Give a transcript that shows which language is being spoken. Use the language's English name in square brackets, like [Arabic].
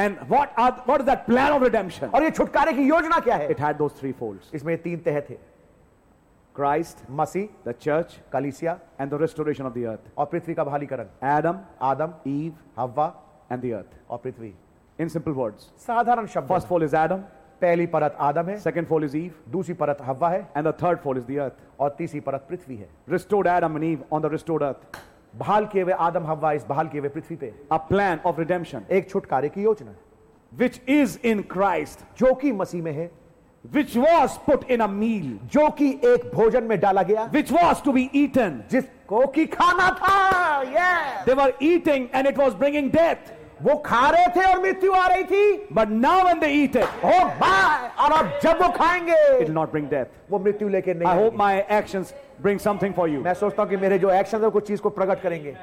[English] And what is that plan of redemption? [Hindi] और ये छुटकारे की योजना क्या है? [English] It had those three folds. [Hindi] इसमें तीन तह थे. [English] Christ, [Hindi] मसीह, [English] the church, [Hindi] कलीसिया, [English] and the restoration of the earth. [Hindi] और पृथ्वी का बहालीकरण. [English] Adam, [Hindi] आदम, [English] Eve, [Hindi] हव्वा, [English] and the earth. [Hindi] और पृथ्वी. [English] In simple words. [Hindi] साधारण शब्द. [English] First fold is Adam. [Hindi] पहली परत आदम है. [English] Second fold is Eve. [Hindi] दूसरी परत हव्वा है. [English] And the third fold is the earth. [Hindi] और तीसरी परत पृथ्वी है. [English] Restored Adam and Eve on the restored earth. [Hindi] बहाल किए हुए आदम हव्वा इस बहाल किए हुए पृथ्वी पे. [English] A plan of redemption. [Hindi] एक छुटकारे की योजना. [English] Which is in Christ. [Hindi] जो कि मसीह में है. [English] Which was put in a meal. [Hindi] जो कि एक भोजन में डाला गया. [English] Which was to be eaten. [Hindi] जिसको कि खाना था. [English] Yes. They were eating and it was bringing death. [Hindi] वो खा रहे थे और मृत्यु आ रही थी. [English] But now when they eat it. Oh my. [Hindi] और अब जब वो खाएंगे. [English] It will not bring death. [Hindi] वो मृत्यु लेके नहीं. [English] I hope my actions bring something for you. [Hindi] मैं सोचता हूँ कि मेरे जो actions हैं वो कुछ चीज़ को प्रकट करेंगे.